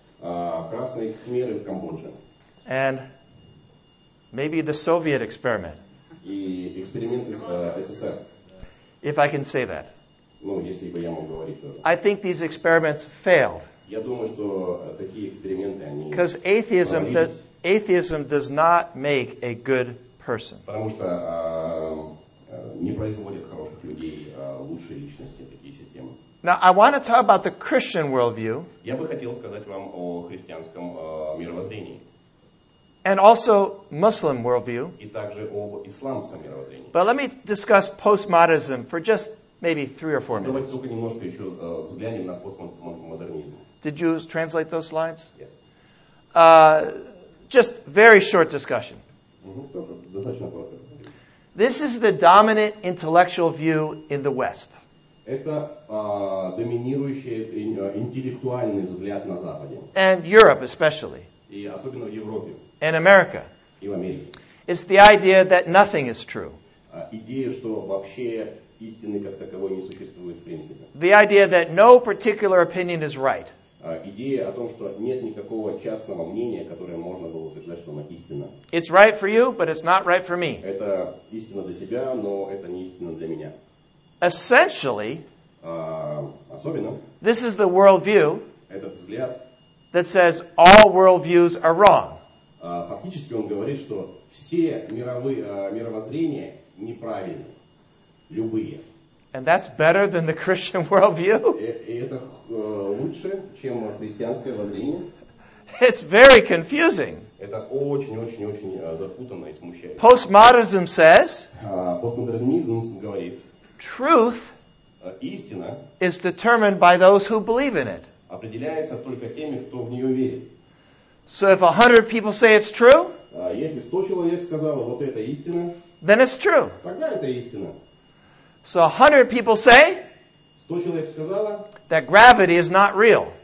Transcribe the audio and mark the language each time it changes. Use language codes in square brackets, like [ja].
[ru] Красные Кхмеры в Камбодже. [en] And maybe the Soviet experiment. [ru] И эксперимент из СССР. [en] If I can say that. [ru] Ну, если бы я мог говорить тоже. [en] I think these experiments failed. [ru] Я думаю, что такие эксперименты, они... [en] Because atheism does not make a good person. [ru] Потому что не производит хороших людей, лучшие личности, такие системы. [en] Now, I want to talk about the Christian worldview. [ru] Я бы хотел сказать вам о христианском мировоззрении. [en] And also Muslim worldview. [ru] И также об исламском мировоззрении. [en] But let me discuss postmodernism for just maybe 3 or 4 minutes. [ru] Давайте только немножко еще взглянем на постмодернизм. [en] Did you translate those slides? Yeah. Just very short discussion. [ru] Достаточно коротко. [en] This is the dominant intellectual view in the West. [ru] Это доминирующий интеллектуальный взгляд на Западе. [en] And Europe especially. [ru] И особенно в Европе. [en] In America. [ru] И в Америке. [en] It's the idea that nothing is true. [ru] Идея, что вообще истины как таковой не существует в принципе. [en] The idea that no particular opinion is right. [ru] Идея о том, что нет никакого частного мнения, которое можно было утверждать, что оно истина. [en] It's right for you, but it's not right for me. [ru] Это истина для тебя, но это не истина для меня. [en] Essentially, [ru] особенно, [en] this is the worldview [ru] этот взгляд, [en] that says all worldviews are wrong. [ru] Фактически он говорит, что все мировоззрения неправильны, любые. [en] And that's better than the Christian worldview. [ru] Это лучше, чем христианское воззрение. [en] It's very confusing. [ru] Это очень-очень-очень запутанно и смущает. [en] Postmodernism says, [ru] постмодернизм говорит, [en] truth [ru] истина [en] is determined by those who believe in it. [ru] Определяется только теми, кто в нее верит. [en] So if 100 people say it's true, [ru] если 100 человек сказало, вот это истина, [en] then it's true. [ru] Тогда это истина. [en] So 100 people say [ru] 100 человек сказало, [en] that gravity is not real.